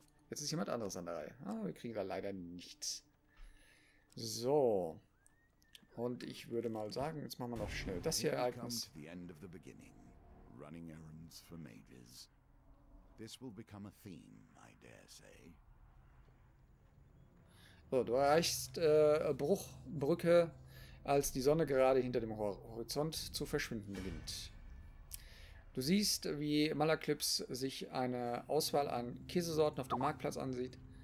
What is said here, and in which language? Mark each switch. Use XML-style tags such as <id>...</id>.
<de>Jetzt ist jemand anderes an der Reihe. Ah, wir kriegen da leider nichts. So. Und ich würde mal sagen, jetzt machen wir noch schnell das hier Ereignis.</de> <en>The end of the beginning. Running errands for mages. This will become a theme, I dare say.</en> <de>So, du erreichst Bruchbrücke, als die Sonne gerade hinter dem Horizont zu verschwinden beginnt. Du siehst, wie Malaclips sich eine Auswahl an Käsesorten auf dem Marktplatz ansieht.</de>